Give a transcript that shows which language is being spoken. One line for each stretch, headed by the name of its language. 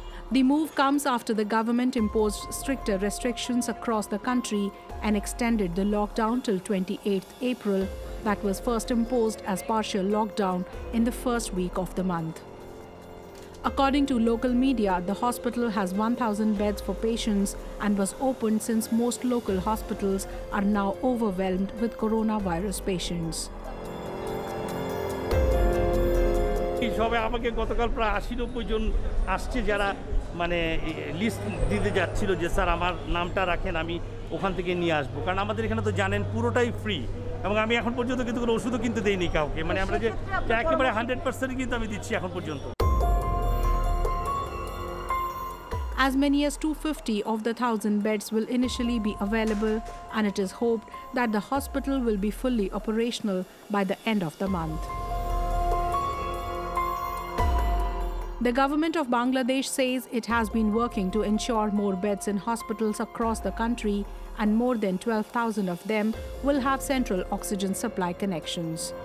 English: The move comes after the government imposed stricter restrictions across the country and extended the lockdown till 28th April that was first imposed as partial lockdown in the first week of the month. According to local media, the hospital has 1,000 beds for patients and was opened since most local hospitals are now overwhelmed with coronavirus patients.
Bangla: সবে আমাকে গতকাল প্রায় 80 90 জন আসছে যারা মানে list দিতে যাচ্ছিল যে স্যার আমার নামটা রাখেন আমি ওখান থেকে নিয়ে আসব কারণ আমাদের এখানে তো জানেন পুরোটাই ফ্রি এবং আমি এখন পর্যন্ত কিন্তু কোনো ওষুধও কিন্তু দেইনি কাউকে মানে আমরা যে একেবারে 100% কিন্তু আমি দিচ্ছি এখন পর্যন্ত
English: As many as 250 of the 1,000 beds will initially be available and it is hoped that the hospital will be fully operational by the end of the month. The government of Bangladesh says it has been working to ensure more beds in hospitals across the country and more than 12,000 of them will have central oxygen supply connections.